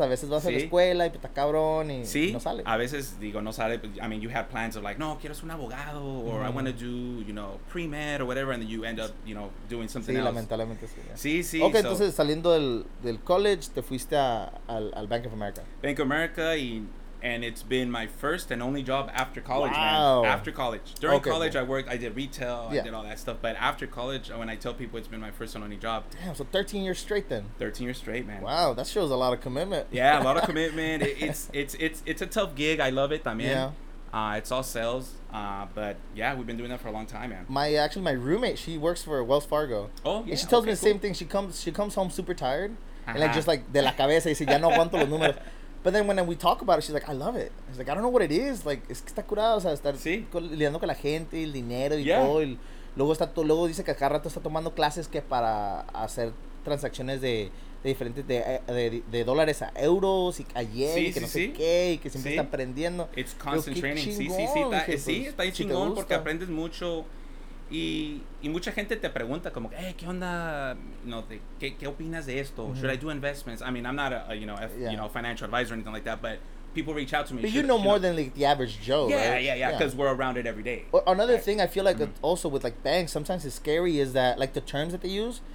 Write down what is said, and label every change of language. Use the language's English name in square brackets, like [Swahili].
[Spanish] A veces vas a la escuela y puta cabrón y no sale. A veces, digo, no sale. [English] But, I mean, you have plans of like, [Spanish] no, quiero ser un abogado [English] or mm-hmm. I want to do, you know, pre-med or whatever. And then you end up, you know, doing something else. [Spanish] Lamentablemente sí. Sí, sí. [English] Okay, so, [Spanish] entonces saliendo del college, te fuiste al Bank of America. Bank of America y... [English] And it's been my first and only job after college, wow. man. After college. During college, cool. I worked, I did retail, yeah. I did all that stuff. But after college, when I tell people it's been my first and only job. Damn, so 13 years straight then. 13 years straight, man. Wow, that shows a lot of commitment. Yeah, a lot of commitment. It's a tough gig. I love it, [Spanish] también. [English] Yeah. It's all sales. But yeah, we've been doing that for a long time, man. My roommate, she works for Wells Fargo. Oh, yeah. And she tells me the same thing. She comes home super tired. Uh-huh. And like, just like, [Spanish] de la cabeza. Y dice, ya no aguanto los números. But then when we talk about it, she's like, I love it. It's like, I don't know what it is. Like, es que está curado. O sea, estar lidiando con la gente, el dinero y todo. Y luego dice que cada rato está tomando clases que para hacer transacciones de dólares a euros y a yen y que no sé qué. Y que siempre está aprendiendo. [English] It's constant training. [Spanish] Sí, está ahí chingón porque aprendes mucho. Y mucha gente te pregunta como, hey, ¿qué onda? No, ¿qué opinas de esto? Mm-hmm. [English] Should I do investments? I mean, I'm not a financial advisor or anything like that, but people reach out to me. But you know more than like the average Joe, yeah, right? Yeah, because we're around it every day. Another thing I feel like mm-hmm. also with like banks, sometimes it's scary is that like the terms that they use,